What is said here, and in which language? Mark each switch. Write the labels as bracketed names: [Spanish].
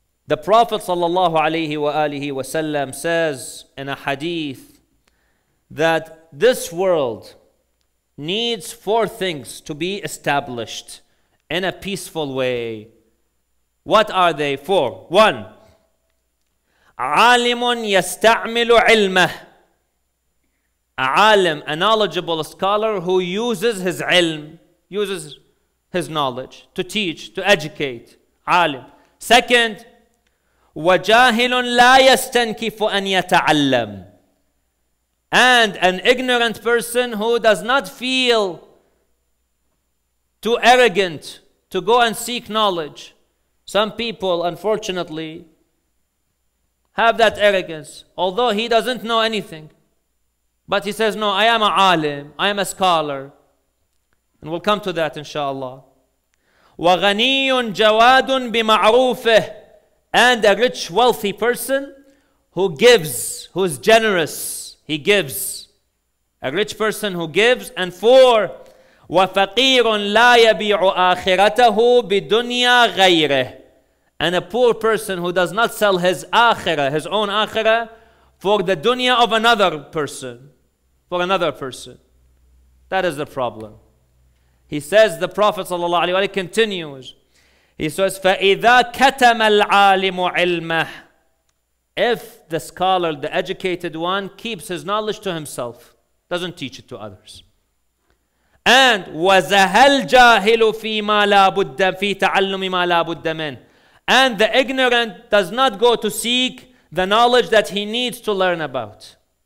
[English] The Prophet sallallahu alayhi wa alihi wa sallam says in a hadith that this world needs four things to be established in a peaceful way. What are they? Four. One, [Arabic] عَالِمٌ يَسْتَعْمِلُ عِلْمَهُ. [English] عَالِم, a knowledgeable scholar who uses his ilm, uses his knowledge to teach, to educate. [Arabic] عَالِم. [English] Second, [Arabic] وَجَاهِلٌ لَا يَسْتَنْكِفُ أَنْ يَتَعَلَّمُ. [English] And an ignorant person who does not feel too arrogant to go and seek knowledge. Some people, unfortunately, have that arrogance, although he doesn't know anything. But he says, no, I am a alim, I am a scholar. And we'll come to that, inshallah. [Arabic] وَغَنِيٌ جَوَادٌ بِمَعْرُوفِهِ. [English] And a rich, wealthy person who gives, who is generous. He gives. A rich person who gives. And four, [Arabic] وَفَقِيرٌ لَا يَبِيعُ آخِرَتَهُ بِدُنْيَا غَيْرِهِ. [English] And a poor person who does not sell his akhirah, his own akhirah, for the dunya of another person. For another person. That is the problem. He says, the Prophet sallallahu alayhi wa sallam continues. He says, [Arabic] فَإِذَا كَتَمَ الْعَالِمُ عِلْمَهُ. [English] If the scholar, the educated one, keeps his knowledge to himself, doesn't teach it to others. And [Arabic] وَزَهَ الْجَاهِلُ فِي مَا لَا بُدَّ فِي تَعَلُّمِ مَا لَا بُدَّ مِنْ. [English] And the ignorant does not go to seek the knowledge that he needs to learn about.